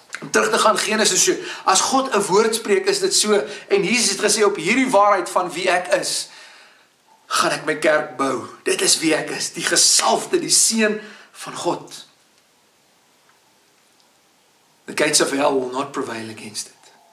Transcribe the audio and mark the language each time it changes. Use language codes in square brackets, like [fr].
[af] terug te gaan Genesis, so, as God een woord spreekt, is dit so, en Jesus het gesê, op hierdie waarheid van wie ek is, gaan ek my kerk bou. Dit is wie ek is, die gesalfde, die seun van God. [en] The gates of hell will not prevail against it.